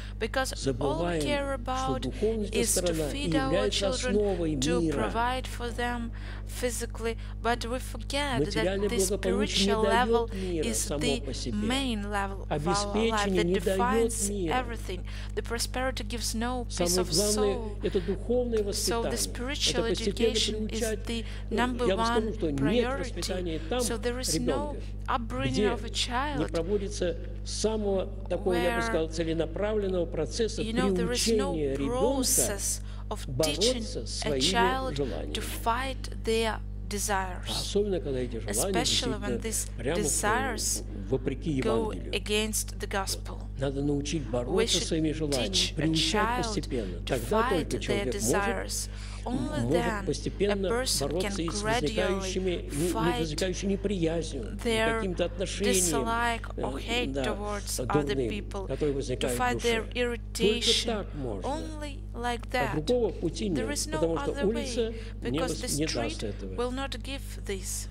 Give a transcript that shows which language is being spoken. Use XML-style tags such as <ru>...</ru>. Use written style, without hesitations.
<en>Because all we care about is to feed our children, to provide for them physically, but we forget that the spiritual level is the main level of our life that defines everything. The prosperity gives no peace of soul. So the spiritual education is the number one priority. So there is no upbringing of a child</en> <ru>самого такого, я бы сказал, целенаправленного процесса приучения ребенка бороться своими желаниями. Особенно, когда эти желания вопреки Евангелию. Надо научить бороться своими желаниями, приучать постепенно. Тогда только человек</ru> <en>Only then a person can gradually fight their dislike or hate towards other people, to fight their irritation. Only like that. There is no other way, because the street will not give this.</en>